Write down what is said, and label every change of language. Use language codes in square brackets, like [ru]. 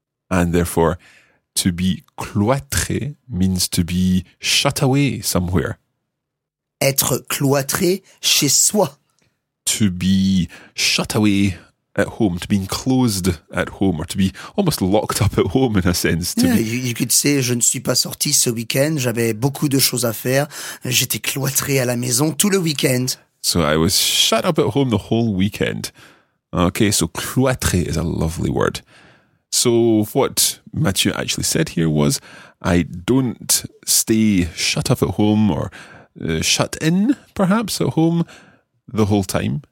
[en] And therefore, to be cloîtré means to be shut away somewhere. [fr] Être cloîtré chez soi. [en] To be shut away at home, to be enclosed at home, or to be almost locked up at home in a sense. You could say, [fr] je ne suis pas sorti ce week-end, j'avais beaucoup de choses à faire, j'étais cloîtré à la maison tout le week-end. [en] So I was shut up at home the whole weekend. Okay, so cloîtré is a lovely word. So what Mathieu actually said here was, I don't stay shut up at home or shut in, perhaps, at home the whole time.